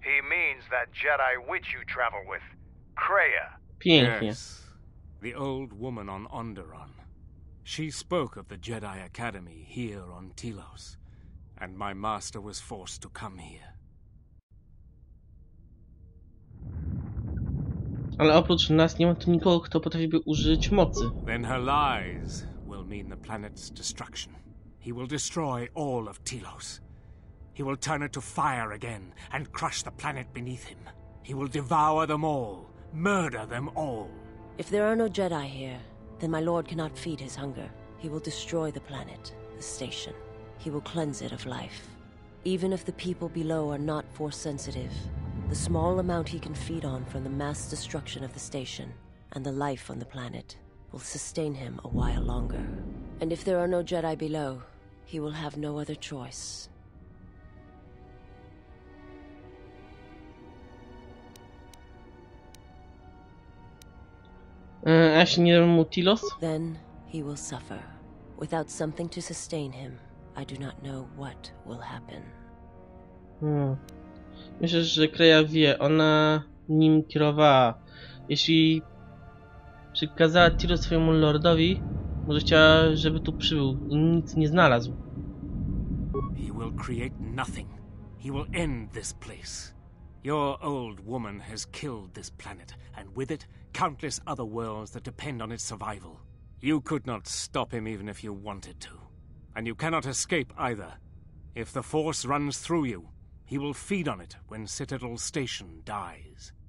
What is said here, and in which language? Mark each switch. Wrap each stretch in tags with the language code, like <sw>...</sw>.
<en>He means that Jedi witch you travel with, Kreia.</en> <pl>Pięknie.</pl> <en>Yes, the old woman on Onderon. She spoke of the Jedi academy here on Telos, and my master was forced to come here.</en> <pl>Ale oprócz nas nie ma tu nikogo, kto potrafiłby użyć mocy.</pl> <en>Then her lies will mean the planet's destruction. He will destroy all of Telos. He will turn it to fire again and crush the planet beneath him. He will devour them all, murder them all. If there are no Jedi here, then my lord cannot feed his hunger. He will destroy the planet, the station. He will cleanse it of life. Even if the people below are not force sensitive, the small amount he can feed on from the mass destruction of the station and the life on the planet will sustain him a while longer. And if there are no Jedi below, he will have no other choice. Then he will suffer. Without something to sustain him, I do not know what will happen.</en> <pl>Myślę, że Kreja wie, ona nim kierowała. Jeśli przykazała Tiro swojemu lordowi, może chciała, żeby tu przybył i nic nie znalazł.</pl> <en>He will create nothing. He will end this place. Your old woman has killed this planet, and with it countless other worlds that depend on its survival. You could not stop him even if you wanted to. And you cannot escape either. If the Force runs through you, he will feed on it when Citadel Station dies.</en>